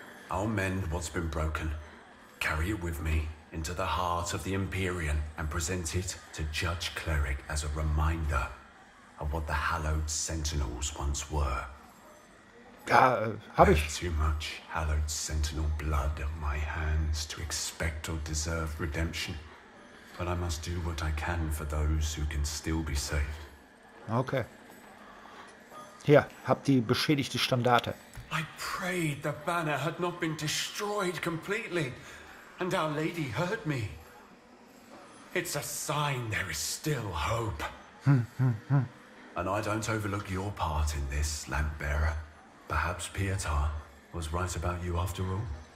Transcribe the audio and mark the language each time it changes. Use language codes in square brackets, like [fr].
[en] I'll mend what's been broken, carry it with me into the heart of the Empyrean and present it to Judge Cleric as a reminder of what the hallowed sentinels once were. [de] Habe ich. [en] Too much hallowed sentinel blood on my hands to expect or deserve redemption. But I must do what I can for those who can still be saved. Okay. [de] Hier, hab die beschädigte Standarte. [en] I prayed the banner had not been destroyed completely. And Our Lady heard me. It's a sign there is still hope. And I don't overlook your part in this, Lampbearer. Perhaps Pietar was right about you after all.